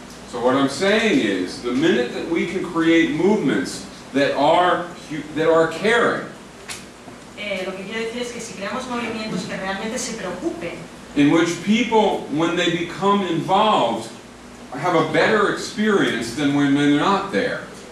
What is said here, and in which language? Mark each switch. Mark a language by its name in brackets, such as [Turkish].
[English] So what I'm saying is, the minute that we can create movements that are caring, [Spanish] lo que quiero decir es que si creamos movimientos que realmente se preocupen, [English] in which people, when they become involved, have a better experience than when they're not there.